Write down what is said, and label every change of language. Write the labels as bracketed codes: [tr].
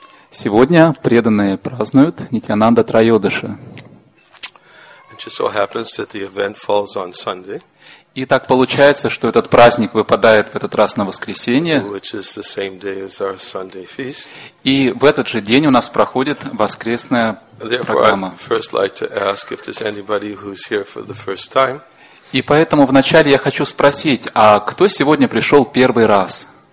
[ru] Сегодня преданные празднуют Нитьянанда Трайодаши. [en] It just so happens that the event falls on Sunday. [ru] И так получается, что этот праздник выпадает в этот раз на воскресенье. [en] Which is the same day as our Sunday feast. [ru] И в этот же день у нас проходит воскресная программа. [en] Therefore, I first like to ask if there's anybody who's here for the first time. [ru] И поэтому вначале я хочу спросить, а кто сегодня пришел первый раз?